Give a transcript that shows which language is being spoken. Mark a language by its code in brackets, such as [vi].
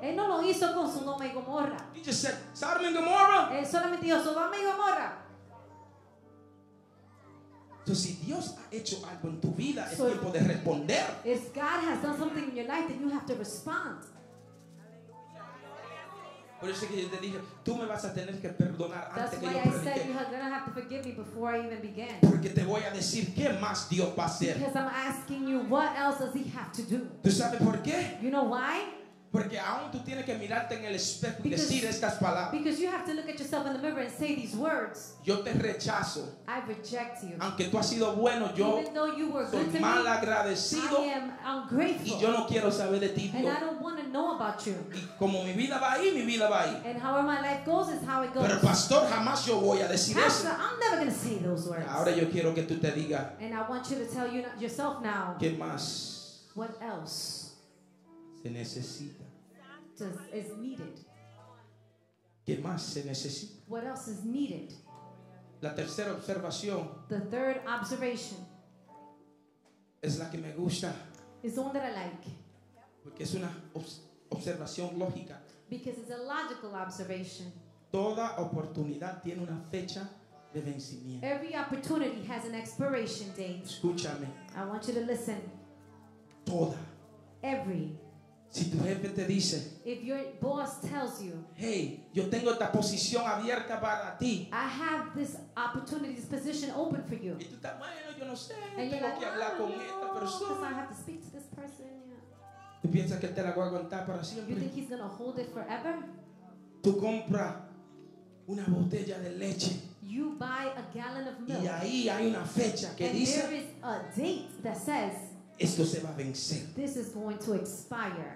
[es] Él no lo hizo con Sodoma y Gomorra. [en] He just said Sodom and Gomorrah. [es] Él solamente dijo Sodoma y Gomorra. Entonces, si Dios ha hecho algo en tu vida, es tiempo de responder. [en] If God has done something in your life, then you have to respond. [es] Por eso que yo te dije, tú me vas a tener que perdonar antes [en] That's [es] que [en] why [es] yo [en] I [es] predique. [en] Said you're gonna have to forgive me before I even began. [es] Porque te voy a decir qué más Dios va a hacer. [en] Because I'm asking you, what else does He have to do? [es] ¿Tú sabes por qué? [en] You know why? [es] Porque aún tú tienes que mirarte en el espejo y decir estas palabras. [en] Because you have to look at yourself in the mirror and say these words. [es] Yo te rechazo. [en] I reject you. [es] Aunque tú has sido bueno, yo soy mal agradecido. [en] I am ungrateful. [es] Y yo no quiero saber de ti, Dios. [en] And I don't want to know about you. [es] Y como mi vida va ahí, mi vida va ahí. [en] And how my life goes is how it goes. [es] Pero pastor, jamás yo voy a decir pastor, eso. [en] Pastor, I'm never going to say those words. [es] Ahora yo quiero que tú te diga. [en] And I want you to tell you yourself now. [es] ¿Qué más? [en] What else? [es] Se necesita. [en] Does, is needed. [es] ¿Qué más se necesita? [en] What else is needed? [es] La tercera observación. [en] The third observation. [es] Es la que me gusta. [en] It's the one that I like. [es] Porque es una observación lógica. [en] Because it's a logical observation. [es] Toda oportunidad tiene una fecha de vencimiento. [en] Every opportunity has an expiration date. [es] Escúchame. [en] I want you to listen. [es] Toda. [en] Every. [es] Si tu jefe te dice, [en] if your boss tells you, [es] hey, yo tengo esta posición abierta para ti, [en] I have this opportunity, this position open for you. [es] Y tú estás, bueno, yo no sé, and tengo que hablar con esta persona. [en] Because I have to speak to this person. [es] ¿Tú piensas que él te la va a aguantar para siempre? [en] You think he's gonna hold it forever? [es] Tú compras una botella de leche. [en] You buy a gallon of milk. [es] Y ahí hay una fecha que [en] and there is a date that says, [es] esto se va a vencer. [en] This is going to expire.